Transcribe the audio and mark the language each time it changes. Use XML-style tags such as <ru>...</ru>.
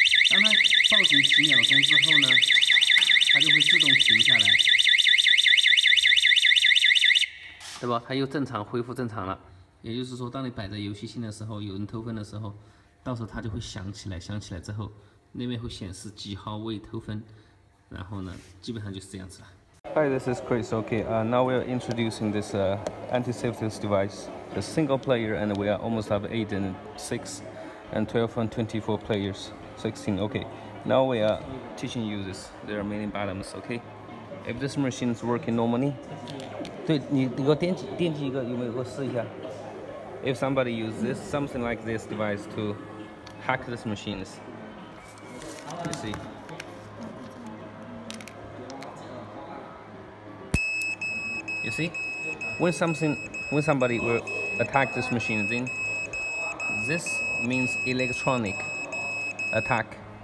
<zh>当它报警几秒钟之后呢，它就会自动停下来，对吧？它又正常恢复正常了。也就是说，当你摆在游戏厅的时候，有人偷分的时候，到时候它就会响起来，响起来之后，那边会显示几号位偷分，然后呢，基本上就是这样子了。</zh> <en>Hi, this is Chris. Okay, now we are introducing this anti-safety device, a single player, and we are almost have 8 and 6 and 12 and 24 players. 16. Okay, now we are teaching you this. There are many buttons, okay? If this machine is working normally,</en> <zh>对你给我点击一个，有没有给我试一下？</zh> <en>If somebody uses this, something like this device to hack this machine, you see. You see, when somebody will attack this machine, then this means electronic attack.</en>